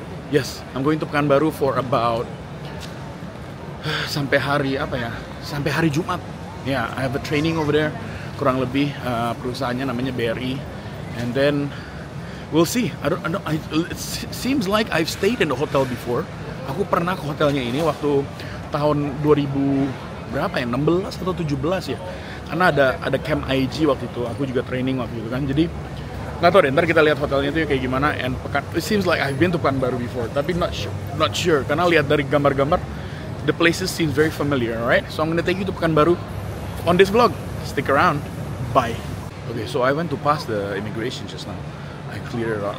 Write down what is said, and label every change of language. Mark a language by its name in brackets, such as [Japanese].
[English] Yes, I'm going to Pekanbaru for about, [Indonesian] sampai hari apa ya, sampai hari Jumat. [English] Yeah, I have a training over there. [Indonesian] Kurang lebih perusahaannya namanya [English] BRI, and then we'll see. It seems like I've stayed in the hotel before. [Indonesian] Aku pernah ke hotelnya ini waktu tahun 2000 berapa ya, 16 atau 17 ya, karena ada camp IG waktu itu, aku juga training waktu itu kan. Jadi nggak tahu deh, ntar kita lihat hotelnya itu kayak gimana. [English] And Pekan, it seems like I've been to Pekanbaru before, tapi not sure [Indonesian] karena lihat dari gambar-gambar [English] the places seems very familiar, right? So I'm gonna take you to Pekanbaru on this vlog. Stick around. Bye. Okay, so I went to pass the immigration just now. I cleared it out.